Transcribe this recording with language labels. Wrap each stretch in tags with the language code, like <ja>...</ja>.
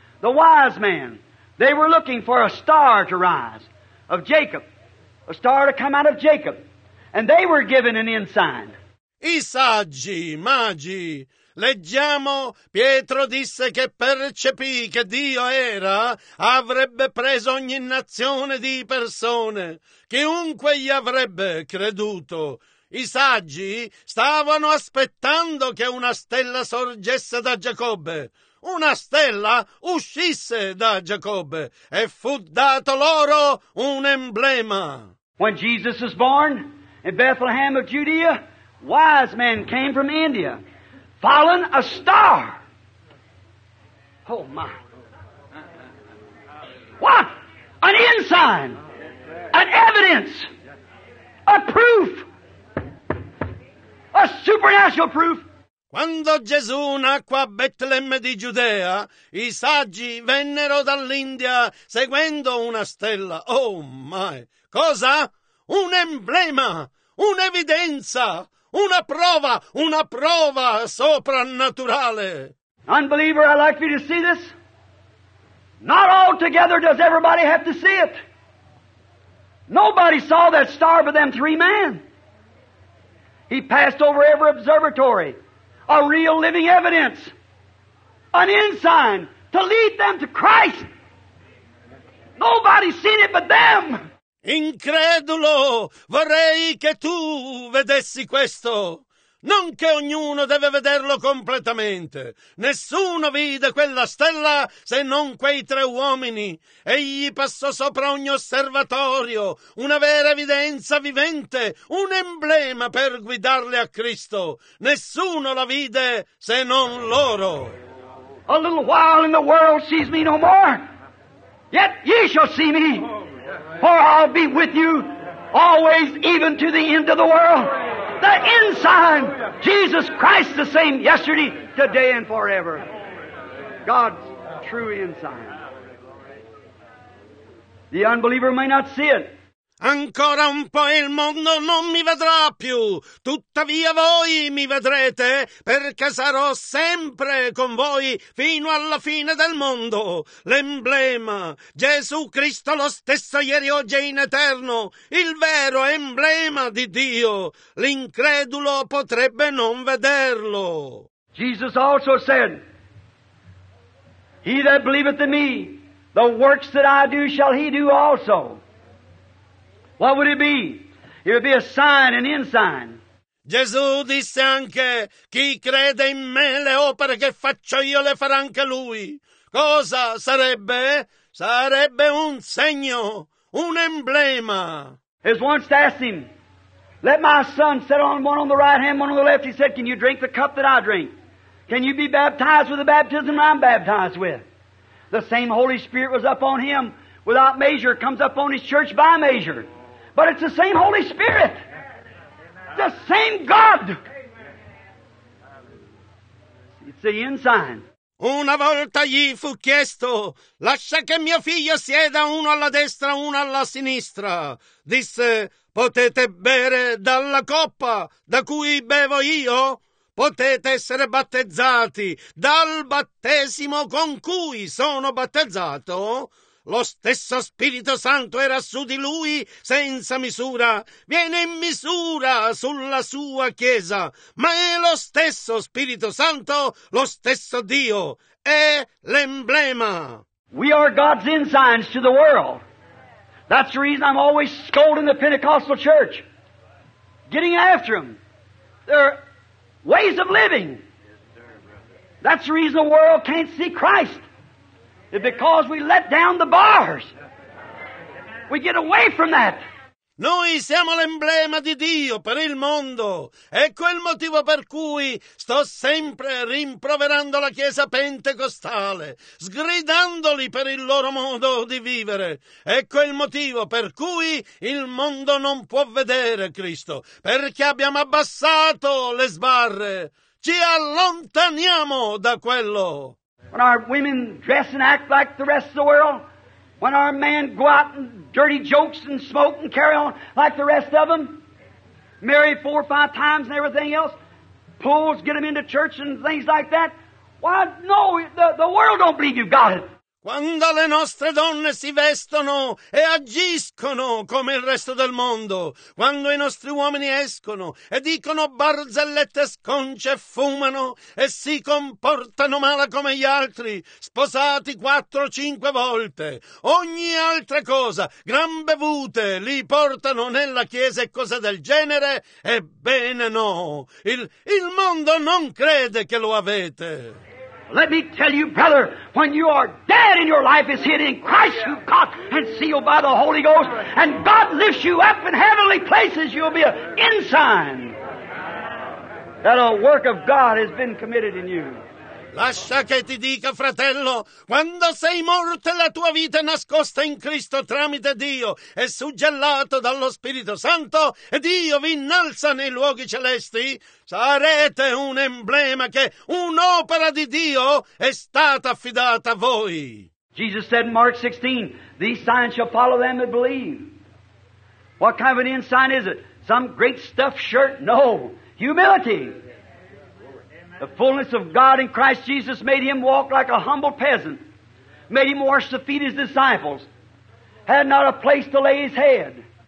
<en>The wise man, they were looking for a star to rise of Jacob, a star to come out of Jacob, and they were given an ensign.</en> <it>I saggi, magi. Leggiamo, Pietro disse che percepì che Dio era, avrebbe preso ogni nazione di persone, chiunque gli avrebbe creduto. I saggi stavano aspettando che una stella sorgesse da Giacobbe. Una stella uscisse da Giacobbe e fu dato loro un emblema.</it> <en>When Jesus was born in Bethlehem of Judea, wise men came from India. Fallen a star. Oh, my. What? An ensign. An evidence. A proof. A supernatural proof.</en> <it>Quando Gesù nacque a Betlemme di Giudea, i saggi vennero dall'India seguendo una stella.</it> <en>Oh, my.</en> <it>Cosa? Un emblema. Un'evidenza. Una prova soprannaturale.</it> <en>Unbeliever, I'd like for you to see this. Not altogether does everybody have to see it. Nobody saw that star but them three men. He passed over every observatory. A real living evidence. An ensign to lead them to Christ. Nobody seen it but them.</en> <it>Incredulo, vorrei che tu vedessi questo. Non che ognuno deve vederlo completamente. Nessuno vide quella stella se non quei tre uomini. Egli passò sopra ogni osservatorio, una vera evidenza vivente, un emblema per guidarli a Cristo. Nessuno la vide se non loro.</it> <en>A little while and the world sees me no more, yet ye shall see me. For I'll be with you always, even to the end of the world. The ensign, Jesus Christ, the same yesterday, today, and forever. God's true ensign. The unbeliever may not see it.</en> <it>Ancora un po' il mondo non mi vedrà più, tuttavia voi mi vedrete, perché sarò sempre con voi fino alla fine del mondo. L'emblema, Gesù Cristo lo stesso ieri, oggi e in eterno, il vero emblema di Dio, l'incredulo potrebbe non vederlo.</it> <en>Jesus also said, he that believeth in me, the works that I do shall he do also. What would it be? It would be a sign, an ensign.</en> <it>Gesù disse anche, chi crede in me le opere che faccio io le farà anche lui. Cosa sarebbe? Sarebbe un segno, un emblema.</it> <en>As once asked him, let my son sit on one on the right hand, one on the left. He said, can you drink the cup that I drink? Can you be baptized with the baptism I'm baptized with? The same Holy Spirit was up on him without measure, comes up on his church by measure. But it's the same Holy Spirit, the same God. It's the ensign.</en> <it>Una volta gli fu chiesto, lascia che mio figlio sieda uno alla destra, uno alla sinistra. Disse, potete bere dalla coppa da cui bevo io? Potete essere battezzati dal battesimo con cui sono battezzato? Lo stesso Spirito Santo era su di lui senza misura, viene in misura sulla sua Chiesa, ma è lo stesso Spirito Santo, lo stesso Dio, è l'emblema.</it> <en>We are God's ensigns to the world. That's the reason I'm always scolding the Pentecostal church. Getting after them. There are ways of living. That's the reason the world can't see Christ. It's because we let down the bars. We get away from that.</en> <it>Noi siamo l'emblema di Dio per il mondo. Ecco il motivo per cui sto sempre rimproverando la Chiesa Pentecostale, sgridandoli per il loro modo di vivere. Ecco il motivo per cui il mondo non può vedere Cristo, perché abbiamo abbassato le sbarre. Ci allontaniamo da quello.</it> <en>When our women dress and act like the rest of the world, when our men go out and dirty jokes and smoke and carry on like the rest of them, marry four or five times and everything else, pulls, get them into church and things like that, why, no, the world don't believe you've got it.</en> <it>Quando le nostre donne si vestono e agiscono come il resto del mondo, quando i nostri uomini escono e dicono barzellette sconce, fumano e si comportano male come gli altri, sposati 4-5 volte, ogni altra cosa, gran bevute, li portano nella chiesa e cose del genere, ebbene no, il mondo non crede che lo avete.</it> <en>Let me tell you, brother, when you are dead and your life is hid in Christ, you've got and sealed by the Holy Ghost, and God lifts you up in heavenly places, you'll be an ensign that a work of God has been committed in you.</en> <it>Lascia che ti dica, fratello, quando sei morto e la tua vita è nascosta in Cristo tramite Dio, è suggellato dallo Spirito Santo e Dio vi innalza nei luoghi celesti, sarete un emblema che un'opera di Dio è stata affidata a voi.</it> <en>Jesus said in Mark 16, these signs shall follow them that believe. What kind of an ensign is it? Some great stuffed shirt? No, humility. The fullness of God in Christ Jesus made him walk like a humble peasant, made him wash the feet of his disciples, had not a place to lay his head.</en>